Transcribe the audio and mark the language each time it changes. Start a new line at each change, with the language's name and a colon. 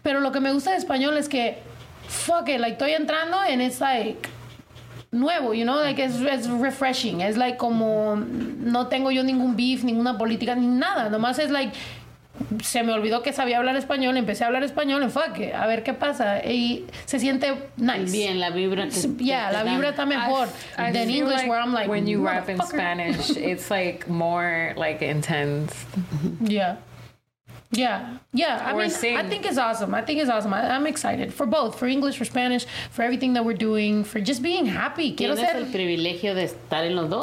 Spanish: Pero lo que me gusta de español es que fuck it, like estoy entrando en esta nuevo, you know, like it's refreshing. It's like como no tengo yo ningún beef, ninguna política, ni nada. Nomás es like se me olvidó que sabía hablar español, empecé a hablar español y fuck, a ver qué pasa. Y se siente nice. Bien, la vibra. La vibra está mejor.
English: Than English, like, where I'm like, when you rap in Spanish, it's like more like intense. I think it's awesome. I'm excited for both, for English, for Spanish, for everything that we're doing, for just being happy.
Spanish: Quiero ser el privilegio de estar en los dos.